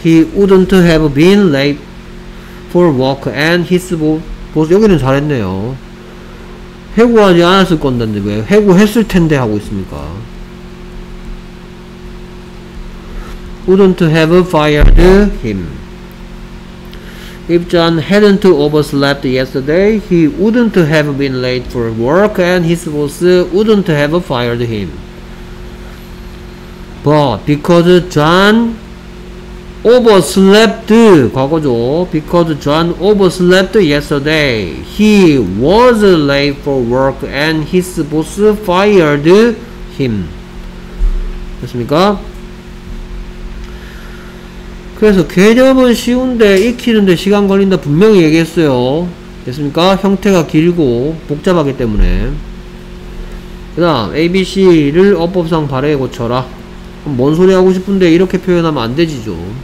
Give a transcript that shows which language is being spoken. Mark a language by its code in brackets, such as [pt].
[ko] He wouldn't have been late for work and his boss. 여기는 잘했네요. 해고하지 않았을 건데 왜 해고했을 텐데 하고 있습니까? [en] wouldn't have fired him. If John hadn't overslept yesterday, he wouldn't have been late for work and his boss wouldn't have fired him. But because John overslept, [ko] 과거죠. [en] Because John overslept yesterday, he was late for work and his boss fired him. [ko] 됐습니까? 그래서 개념은 쉬운데 익히는데 시간 걸린다 분명히 얘기했어요. 됐습니까? 형태가 길고 복잡하기 때문에. 그 다음 ABC를 어법상 발해 고쳐라. 뭔 소리 하고 싶은데 이렇게 표현하면 안 되지죠.